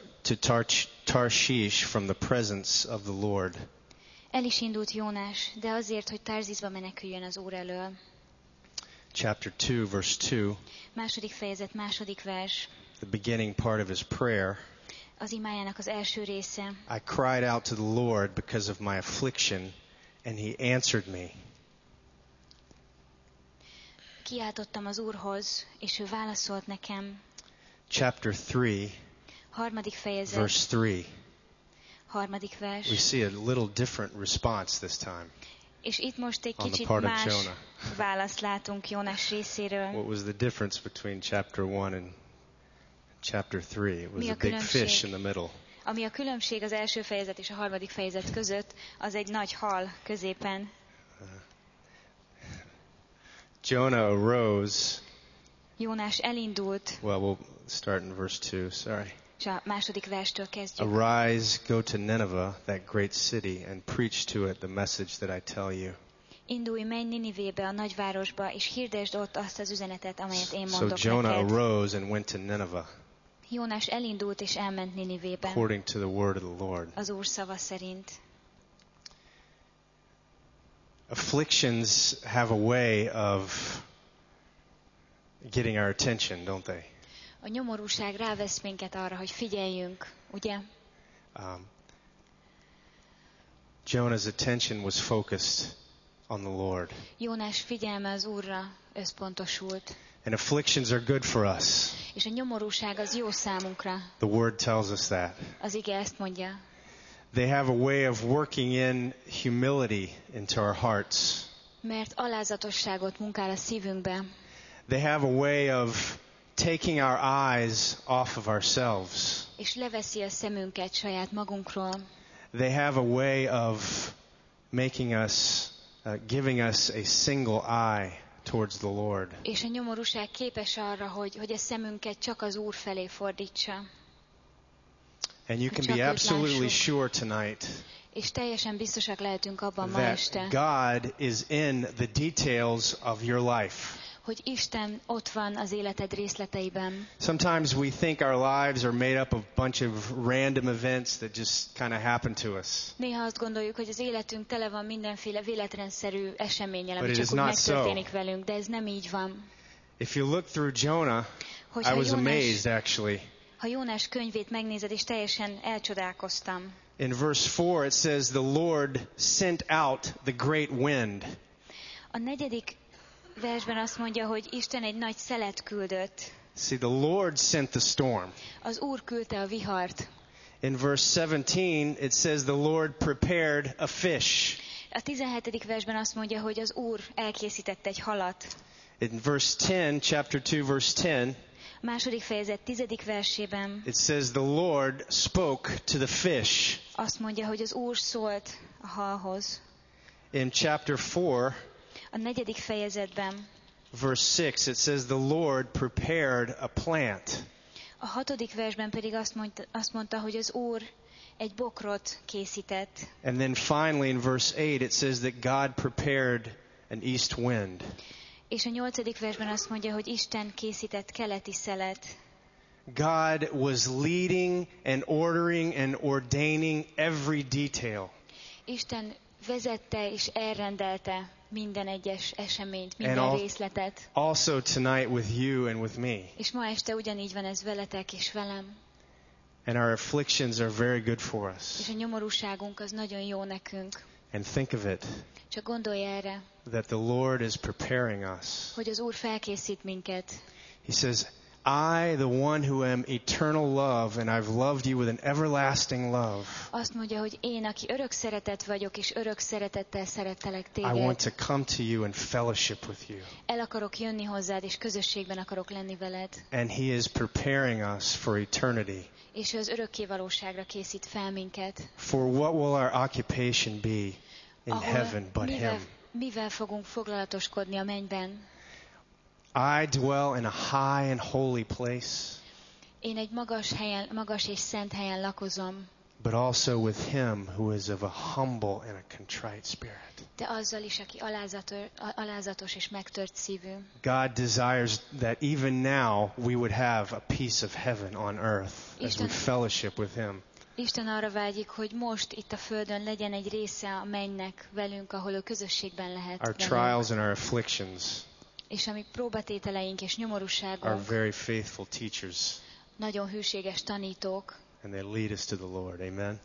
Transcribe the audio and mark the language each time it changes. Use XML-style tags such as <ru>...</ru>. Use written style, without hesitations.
<en>to Tarshish from the presence of the Lord.</en> <hu>El is indult Jónás, de azért, hogy Tarsisba meneküljön az Úr elől.</hu> <en>Chapter 2, verse 2.</en> <hu>Második fejezet, második vers.</hu> <en>The beginning part of his prayer.</en> <hu>Az imájának az első része.</hu> <en>I cried out to the Lord because of my affliction, and he answered me.</en> <hu>Kiáltottam az Úrhoz, és ő válaszolt nekem.</hu> <en>Chapter 3.</en> <hu>Harmadik fejezet.</hu> <en>Verse 3.</en> <hu>Harmadik vers.</hu> <en>We see a little different response this time.</en> <hu>És itt most egy kicsit más választ látunk Jónás részéről.</hu> <en>What was the difference between chapter 1 and chapter 3? It was a big fish in the middle.</en> <hu>Ami a különbség az első fejezet és a harmadik fejezet között, az egy nagy hal középen.</hu> <en>Jonah arose.</en> <hu>Jónás elindult.</hu> <en>Well, we'll start in verse 2, sorry.</en> <hu>És a második verstől kezdjük.</hu> <en>Arise, go to Nineveh, that great city, and preach to it the message that I tell you.</en> <hu>Indulj, menj Ninivébe, a nagyvárosba, és hirdesd ott azt az üzenetet, amelyet én mondok neked.</hu> <en>So Jonah arose and went to Nineveh.</en> <hu>Jónás elindult és elment Ninivébe.</hu> <en>According to the word of the Lord.</en> <hu>Az Úr szava szerint.</hu> <en>Afflictions have a way of getting our attention, don't they?</en> <hu>A nyomorúság rávesz minket arra, hogy figyeljünk, ugye?</hu> <en>Jonah's attention was focused on the Lord.</en> <hu>Jónás figyelme az Úrra összpontosult.</hu> <en>And afflictions are good for us.</en> <hu>És a nyomorúság az jó számunkra.</hu> <en>The word tells us that.</en> <hu>Az ige ezt mondja.</hu> <en>They have a way of working in humility into our hearts.</en> <hu>Mert alázatosságot munkál a szívünkbe.</hu> <en>They have a way of taking our eyes off of ourselves.</en> <hu>És leveszi a szemünket saját magunkról.</hu> <en>They have a way of making us, giving us a single eye towards the Lord.</en> <hu>És a nyomorúság képes arra, hogy a szemünket csak az Úr felé fordítsa.</hu> <en>And you can be absolutely sure tonight.</en> <hu>És teljesen biztosak lehetünk abban ma este.</hu> <en>God is in the details of your life.</en> <hu>Hogy Isten ott van az életed részleteiben.</hu> <en>Sometimes we think our lives are made up of a bunch of random events that just kind of happen to us.</en> <hu>Néha azt gondoljuk, hogy az életünk tele van mindenféle véletlenszerű eseménnyel, ami csak úgy megtörténik velünk, de ez nem így van.</hu> <en>If you look through Jonah, I was amazed actually.</en> <hu>Ha Jónás könyvét megnézed, és teljesen elcsodálkoztam.</hu> <en>In verse 4 it says the Lord sent out the great wind.</en> <hu>A negyedik versben azt mondja, hogy Isten egy nagy szelet küldött.</hu> <en>See, the Lord sent the storm.</en> <hu>Az Úr küldte a vihart.</hu> <en>In verse 17 it says the Lord prepared a fish.</en> <hu>A 17. versben azt mondja, hogy az Úr elkészítette egy halat.</hu> <en>In verse 10, chapter 2, verse 10.</en> <hu>Második fejezet 10. versében.</hu> <en>It says the Lord spoke to the fish.</en> <hu>Azt mondja, hogy az Úr szólt a halhoz.</hu> <en>In chapter 4.</en> <hu>A negyedik fejezetben.</hu> <en>Verse 6, it says the Lord prepared a plant.</en> <hu>A hatodik versben pedig azt mondta, hogy az Úr egy bokrot készített.</hu> <en>And then finally in verse 8, it says that God prepared an east wind.</en> <hu>És a nyolcadik versben azt mondja, hogy Isten készített keleti szelet.</hu> <en>God was leading and ordering and ordaining every detail.</en> <hu>Isten vezette és elrendelte minden egyes eseményt, minden részletet.</hu> <en>Also tonight with you and with me.</en> <hu>És ma este ugyanígy van ez veletek és velem.</hu> <en>And our afflictions are very good for us.</en> <hu>És a nyomorúságunk az nagyon jó nekünk.</hu> <en>And think of it.</en> <hu>Csak gondolj erre.</hu> <en>That the Lord is preparing us.</en> <hu>Hogy az Úr felkészít minket.</hu> <en>He says, I, the one who am eternal love, and I've loved you with an everlasting love.</en> <hu>Azt mondja, hogy én, aki örök szeretet vagyok, és örök szeretettel szerettelek téged.</hu> <en>I want to come to you and fellowship with you.</en> <hu>El akarok jönni hozzád, és közösségben akarok lenni veled.</hu> <en>And he is preparing us for eternity.</en> <hu>És ő az örökkévalóságra készít fel minket.</hu> <en>For what will our occupation be in heaven but him?</en> <hu>Mivel fogunk foglalatoskodni a mennyben?</hu> <en>I dwell in a high and holy place.</en> <hu>Én egy magas helyen, magas és szent helyen lakozom.</hu> <en>but also with him who is of a humble and a contrite spirit.</en> <hu>De azzal is, aki alázatos és megtört szívű.</hu> <en>God desires that even now we would have a piece of heaven on earth as we fellowship with him.</en> <hu>Isten arra vágyik, hogy most itt a földön legyen egy része a mennynek velünk, ahol ő közösségben lehet.</hu> <en>Our trials and our afflictions.</en> <hu>És ami próbatételeink és nyomorúságunk.</hu> <en>Are very faithful teachers.</en> <hu>Nagyon hűséges tanítók.</hu> <en>And they lead us to the Lord. Amen.</en>